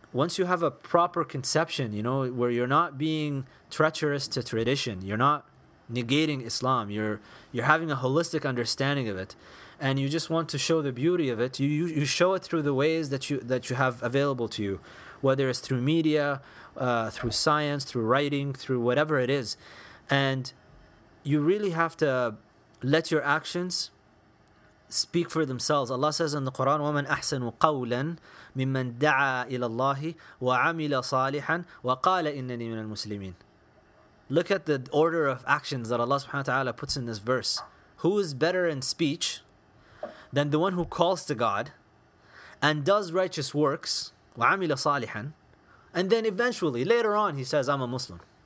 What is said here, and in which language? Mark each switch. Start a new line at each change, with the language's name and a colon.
English: Once you have a proper conception, you know, where you're not being treacherous to tradition, you're not negating Islam, you're having a holistic understanding of it, and you just want to show the beauty of it, you show it through the ways that you have available to you, whether it's through media, through science, through writing, through whatever it is. And you really have to let your actions speak for themselves. Allah says in the Quran,
Arabic: وَمَنْ أَحْسَنُ قَوْلًا مِمَّنْ دَعَى إِلَى اللَّهِ وَعَمِلَ صَالِحًا وَقَالَ إِنَّنِي مِنَ الْمُسْلِمِينَ.
English: Look at the order of actions that Allah subhanahu wa ta'ala puts in this verse. Who is better in speech than the one who calls to God and does righteous works,
Arabic: وَعَمِلَ صَالِحًا,
English: and then eventually, later on, he says, I'm a Muslim.